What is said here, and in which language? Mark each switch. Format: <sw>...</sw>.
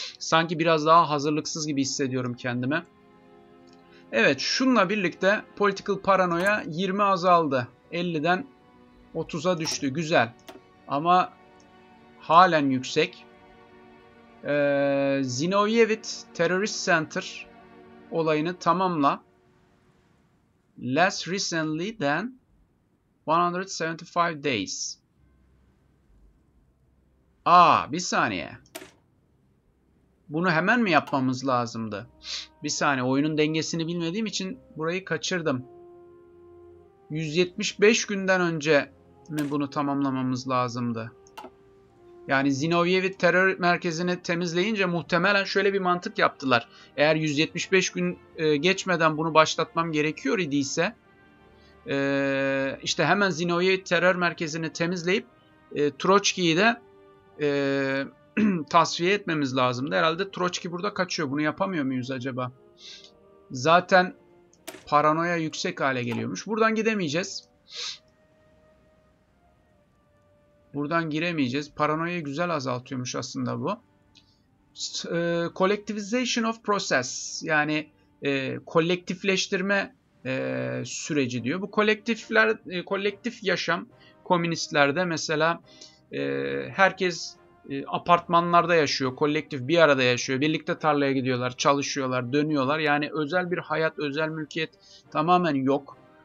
<tr>Sanki biraz daha hazırlıksız gibi hissediyorum kendimi. Evet, şunla birlikte political paranoia 20 azaldı. 50'den 30'a düştü. Güzel. Ama halen yüksek. Zinoviev'it Terrorist Center olayını tamamla.</tr> <en>Less recently than 175 days.</en> <tr>Bir saniye. Bunu hemen mi yapmamız lazımdı? Bir saniye, oyunun dengesini bilmediğim için burayı kaçırdım. 175 günden önce mi bunu tamamlamamız lazımdı? Yani Zinoviev'i terör merkezini temizleyince muhtemelen şöyle bir mantık yaptılar. Eğer 175 gün geçmeden bunu başlatmam gerekiyor idiyse işte hemen Zinoviev'i terör merkezini temizleyip Troçki'yi de tasfiye etmemiz lazımdı. Herhalde Troçki burada kaçıyor. Bunu yapamıyor muyuz acaba? Zaten paranoya yüksek hale geliyormuş. Buradan gidemeyeceğiz. Buradan giremeyeceğiz. Paranoyayı güzel azaltıyormuş aslında bu.</tr> <en>Collectivization of process.</en> <tr>Yani kolektifleştirme süreci diyor. Bu kolektifler, kolektif yaşam komünistlerde mesela herkes apartmanlarda yaşıyor. Kolektif bir arada yaşıyor. Birlikte tarlaya gidiyorlar, çalışıyorlar, dönüyorlar. Yani özel bir hayat, özel mülkiyet tamamen yok.</tr>